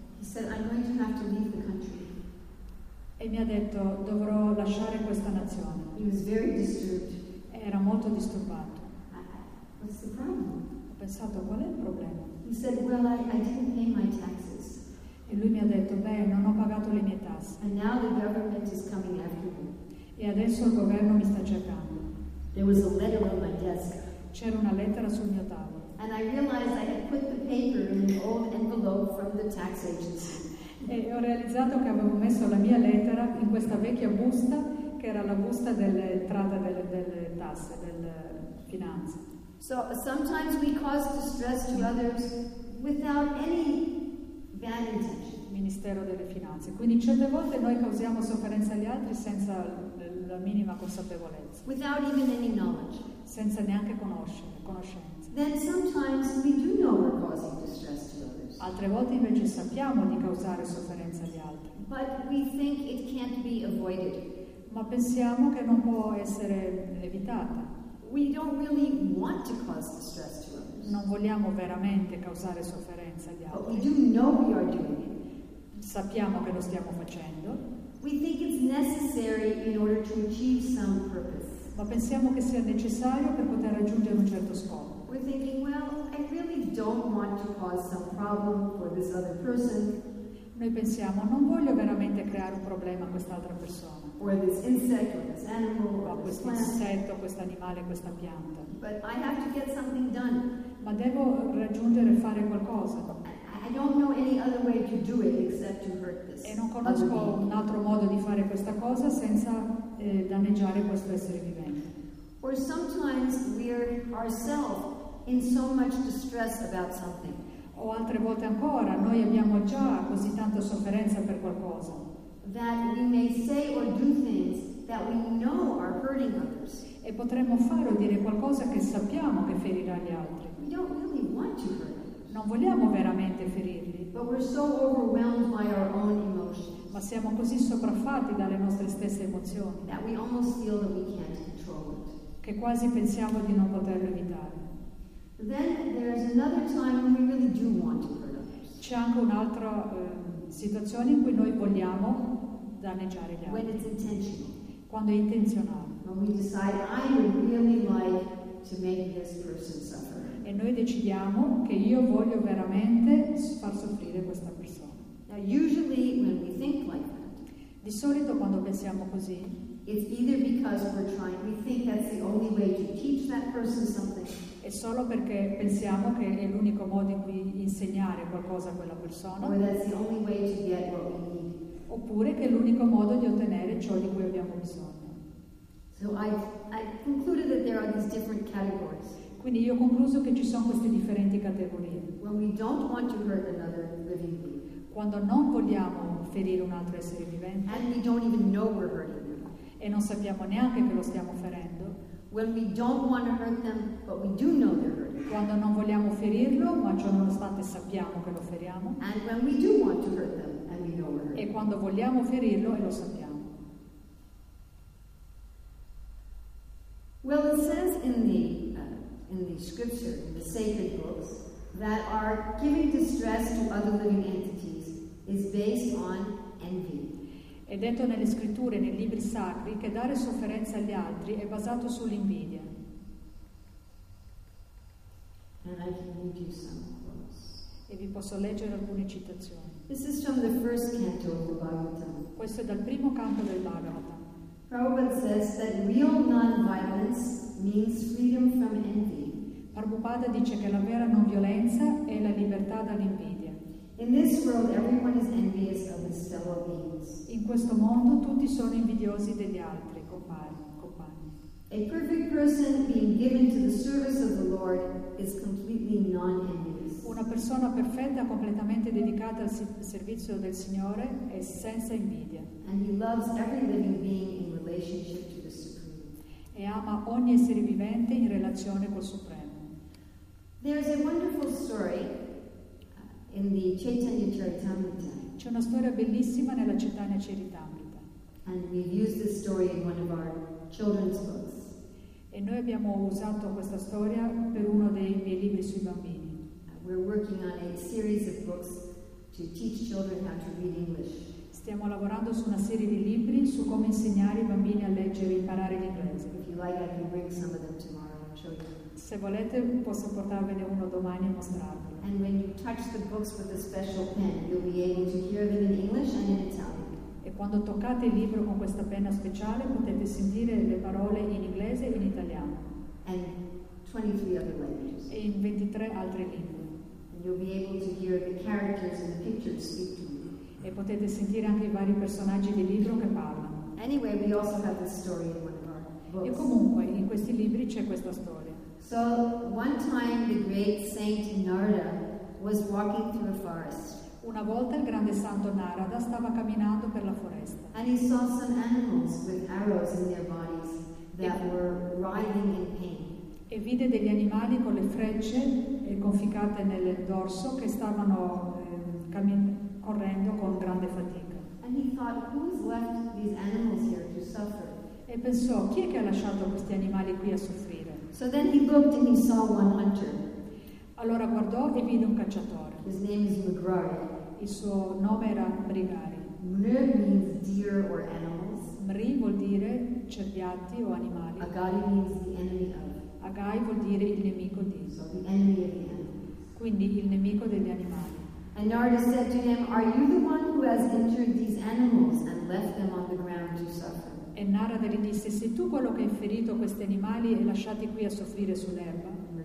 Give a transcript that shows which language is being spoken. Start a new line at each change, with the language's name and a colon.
English: He said, "I'm going to have to leave the country."
Italian: E mi ha detto, dovrò lasciare questa nazione.
English: He was very disturbed.
Italian: Era molto disturbato.
English: What's the problem?
Italian: Ho pensato, qual è il problema?
English: He said, "Well, I didn't pay my taxes."
Italian: E lui mi ha detto, beh, non ho pagato le mie tasse.
English: And now the government is coming after me.
Italian: E adesso il governo mi sta cercando.
English: There was a letter on my desk.
Italian: C'era una lettera sul mio tavolo.
English: And I realized I had put the paper in an old envelope from the tax agency.
Italian: E ho realizzato che avevo messo la mia lettera in questa vecchia busta che era la busta dell'entrata delle tasse, delle finanze.
English: So sometimes we cause distress to others without any bad intention.
Italian: Ministero delle Finanze. Quindi certe volte noi causiamo sofferenza agli altri senza la minima consapevolezza.
English: Without even any knowledge.
Italian: Senza neanche conoscenza.
English: Then sometimes we do know we're causing distress to others.
Italian: Altre volte invece sappiamo di causare sofferenza agli altri.
English: But we think it can't be avoided.
Italian: Ma pensiamo che non può essere evitata.
English: We don't really want to cause distress to others.
Italian: Non vogliamo veramente causare sofferenza agli altri.
English: But we do know we are doing it.
Italian: Sappiamo che lo stiamo facendo.
English: We think it's necessary in order to achieve some purpose.
Italian: Ma pensiamo che sia necessario per poter raggiungere un certo scopo.
English: We're thinking, well, I really don't want to cause some problem for this other person.
Italian: Noi pensiamo, non voglio veramente creare un problema a quest'altra persona.
English: Or this insect, or this animal, or this
Italian: questo
English: plant.
Italian: Insetto, questo animale, questa pianta.
English: But I have to get something done.
Italian: Ma devo raggiungere e fare qualcosa.
English: I don't know any other way to do it except to hurt this.
Italian: E non conosco un altro modo di fare questa cosa senza danneggiare questo essere vivente.
English: Or sometimes we are ourselves in so much distress about something.
Italian: O altre volte ancora, noi abbiamo già così tanta sofferenza per qualcosa.
English: That we may say or do things that we know are hurting others.
Italian: E potremmo fare o dire qualcosa che sappiamo che ferirà gli altri.
English: We don't really want to hurt them.
Italian: Non vogliamo veramente ferirli.
English: But we're so overwhelmed by our own emotions.
Italian: Ma siamo così sopraffatti dalle nostre stesse emozioni.
English: That we almost feel that we can't control it.
Italian: Che quasi pensiamo di non poterlo evitare.
English: Then there's another time when we really do want to hurt others.
Italian: C'è anche un'altra situazione in cui noi vogliamo danneggiare gli altri.
English: When it's intentional.
Italian: Quando è intenzionale.
English: When we decide I would really like to make this person suffer.
Italian: E noi decidiamo che io voglio veramente far soffrire questa persona.
English: Now usually when we think like that.
Italian: Di solito quando pensiamo così.
English: It's either because we're trying, we think that's the only way to teach that person something.
Italian: È solo perché pensiamo che è l'unico modo in cui insegnare qualcosa a quella persona.
English: Or that's the only way to get what we need.
Italian: Oppure che è l'unico modo di ottenere ciò di cui abbiamo bisogno.
English: So I concluded that there are these different categories.
Italian: Quindi io ho concluso che ci sono queste differenti categorie.
English: When we don't want to hurt another living being.
Italian: Quando non vogliamo ferire un altro essere vivente.
English: And we don't even know we're hurting.
Italian: E non sappiamo neanche che lo stiamo ferendo.
English: When we don't want to hurt them, but we do know they're hurting.
Italian: Quando non vogliamo ferirlo, ma ciò nonostante sappiamo che lo feriamo.
English: And when we do want to hurt them, and we know we're hurting.
Italian: E quando vogliamo ferirlo e lo sappiamo.
English: Well, it says in the scripture, in the sacred books, that our giving distress to other living entities is based on envy.
Italian: È detto nelle scritture, nei libri sacri, che dare sofferenza agli altri è basato sull'invidia.
English: And I can read you some quotes.
Italian: E vi posso leggere alcune citazioni.
English: This is from the first canto of the Bhagavatam.
Italian: Questo è dal primo canto del Bhagavatam.
English: Prabhupada says that real non-violence means freedom from envy.
Italian: Prabhupada dice che la vera non violenza è la libertà dall'invidia.
English: In this world, everyone is envious of his fellow beings.
Italian: In questo mondo tutti sono invidiosi degli altri, compagni.
English: A perfect person being given to the service of the Lord is completely non-envious.
Italian: Una persona perfetta completamente dedicata al servizio del Signore è senza invidia.
English: And he loves every living being in relationship to the Supreme.
Italian: E ama ogni essere vivente in relazione col Supremo.
English: There's a wonderful story in the Chaitanya Charitamrita.
Italian: C'è una storia bellissima nella Chaitanya Charitamrita.
English: And we use this story in one of our children's books.
Italian: E noi abbiamo usato questa storia per uno dei miei libri sui bambini.
English: We're working on a series of books to teach children how to read English.
Italian: Stiamo lavorando su una serie di libri su come insegnare i bambini a leggere e imparare l'inglese.
English: If you like, I can bring some of them tomorrow and show you.
Italian: Se volete posso portarvene uno domani e mostrarvi.
English: And when you touch the books with a special pen, you'll be able to hear them in English and in Italian.
Italian: E quando toccate il libro con questa penna speciale, potete sentire le parole in inglese e in italiano.
English: And 23 other languages.
Italian: E in 23 altre lingue.
English: And you'll be able to hear the characters and the pictures speak to you.
Italian: E potete sentire anche i vari personaggi del libro che parlano.
English: Anyway, we also have this story in one of our books.
Italian: E comunque in questi libri c'è questa storia.
English: So one time the great saint Narada was walking through a forest.
Italian: Una volta il grande santo Narada stava camminando per la foresta.
English: And he saw some animals with arrows in their bodies that were writhing in pain.
Italian: E vide degli animali con le frecce conficcate nel dorso che stavano correndo con grande fatica.
English: And he thought, who's left these animals here to suffer?
Italian: E pensò, chi è che ha lasciato questi animali qui a soffrire?
English: So then he looked and he saw one hunter.
Italian: Allora guardò e vide un cacciatore.
English: His name is Mrigari.
Italian: Il suo nome era Mrigari.
English: Mri means deer or animals.
Italian: Mri vuol dire cerbiatti o animali.
English: Agari means the enemy of.
Italian: Agai vuol dire il nemico di.
English: So the enemy of the animals.
Italian: Quindi il nemico degli animali.
English: And Narada said to him, "Are you the one who has injured these animals and left them on the ground to suffer?"
Italian: E Narada gli disse, sei tu quello che hai ferito questi animali e lasciati qui a soffrire sull'erba?